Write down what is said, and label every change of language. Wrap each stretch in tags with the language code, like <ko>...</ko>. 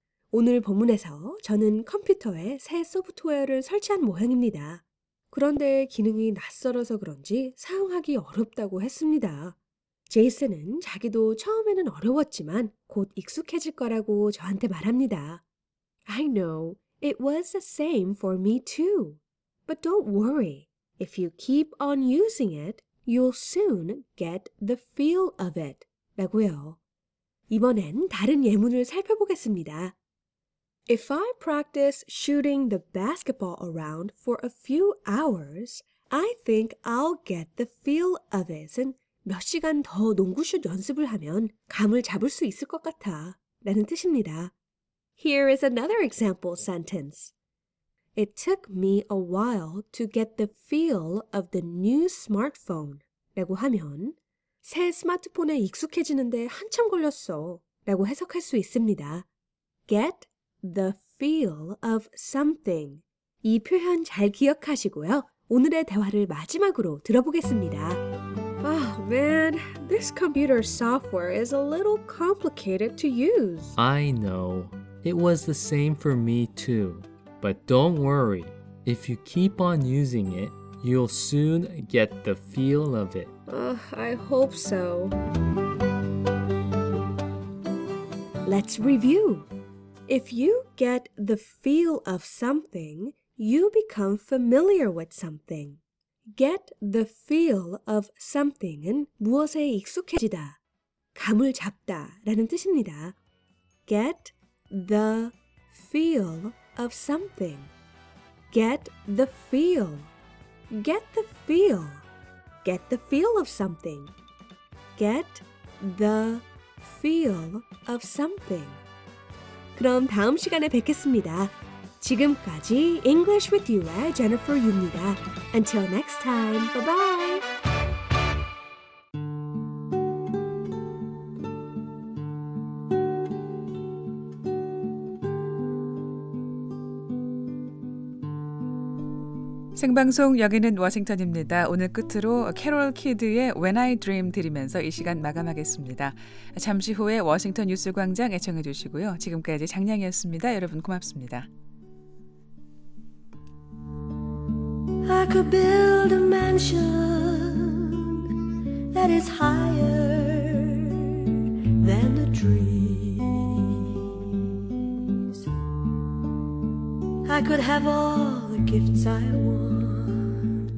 <ko>오늘 본문에서 저는 컴퓨터에 새 소프트웨어를 설치한 모양입니다. 그런데 기능이 낯설어서 그런지 사용하기 어렵다고 했습니다. 제이슨은 자기도 처음에는 어려웠지만 곧 익숙해질 거라고 저한테 말합니다.</ko> <en>I know, it was the same for me too. But don't worry, if you keep on using it, you'll soon get the feel of it.</en> <ko>라고요. 이번엔 다른 예문을 살펴보겠습니다.</ko> <en>If I practice shooting the basketball around for a few hours, I think I'll get the feel of it은</en> <ko>몇 시간 더 농구슛 연습을 하면 감을 잡을 수 있을 것 같아 라는 뜻입니다.</ko> <en>Here is another example sentence. It took me a while to get the feel of the new smartphone.</en> <ko>라고 하면 새 스마트폰에 익숙해지는데 한참 걸렸어 라고 해석할 수 있습니다.</ko> <en>Get the feel of something.</en> <ko>이 표현 잘 기억하시고요. 오늘의 대화를 마지막으로 들어보겠습니다.</ko> <en>Oh man, this computer software is a little complicated to use. I know. It was the same for me too. But don't worry. If you keep on using it, you'll soon get the feel of it. I hope so. Let's review. If you get the feel of something, you become familiar with something. Get the feel of something은</en> <ko>무엇에 익숙해지다, 감을 잡다 라는 뜻입니다.</ko> <en>Get the feel of something. Get the feel. Get the feel. Get the feel of something. Get the feel of something.</en> <ko>그럼 다음 시간에 뵙겠습니다. 지금까지 English with You의 Jennifer입니다.</ko> <en>Until next time, bye-bye!</en> <ko>Sing방송 여기는 워싱턴입니다. 오늘 끝으로 캐롤 키드의 When I Dream 드리면서 이 시간 마감하겠습니다. 잠시 후에 워싱턴 뉴스 광장 애청해 주시고요. 지금까지 장량이었습니다. 여러분 고맙습니다.</ko> <en>I could build a mansion that is higher than the trees. I could have all the gifts I want.</en>